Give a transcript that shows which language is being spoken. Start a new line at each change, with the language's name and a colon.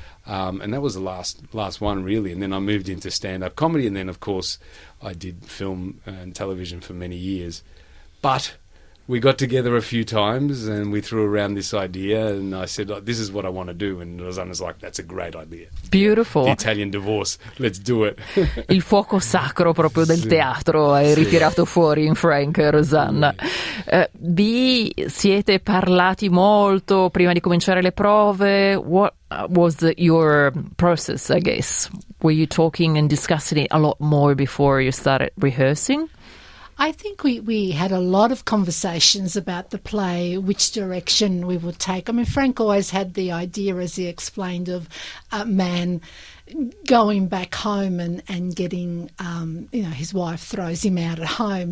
English: And that was the last one, really. And then I moved into stand-up comedy, and then, of course, I did film and television for many years. But we got together a few times, and we threw around this idea, and I said, this is what I want to do. And Rosanna's like, that's a great idea. Beautiful. The Italian divorce. Let's do it.
Italian: Il fuoco sacro proprio del teatro hai ritirato fuori in Frank, Rosanna. Vi siete parlati molto prima di cominciare le prove.
English: What was your process, I guess? Were you talking and discussing it a lot more before you started rehearsing? I think we had a lot of conversations about the play, which direction we would take. I mean, Frank always had the idea, as he explained, of a man going back home and getting, you know, his wife throws him out at home.